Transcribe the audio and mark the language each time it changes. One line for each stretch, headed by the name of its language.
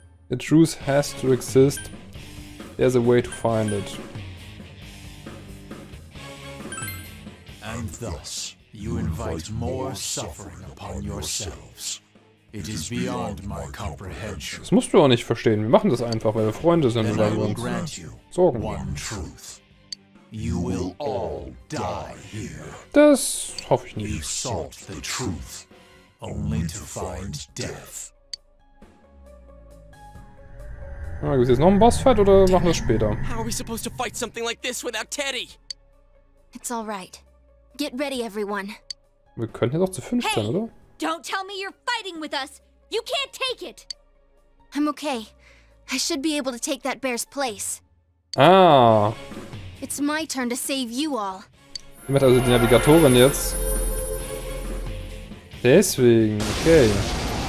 English: The truth has to exist. There's a way to find it. And thus, you invite more suffering upon yourselves. It is beyond my comprehension.
German: Das musst du auch nicht verstehen. Wir machen das einfach, weil wir Freunde sind und weil wir uns Sorgen machen.
English: You will all die here.
German: Das hoffe ich nicht.
English: You sought the truth, only to find death.
German: Gibt es jetzt noch einen Bossfight oder machen wir es später?
English: How are we supposed to fight something like this without Teddy? It's all right. Get ready, everyone.
German: Wir könnten ja doch zu fünft sein, oder?
English: Don't tell me you're fighting with us. You can't take it. I'm okay. I should be able to take that bear's place. Ah. It's my turn to save you all.
German: Ich mache also die Navigatorin jetzt. Deswegen, okay.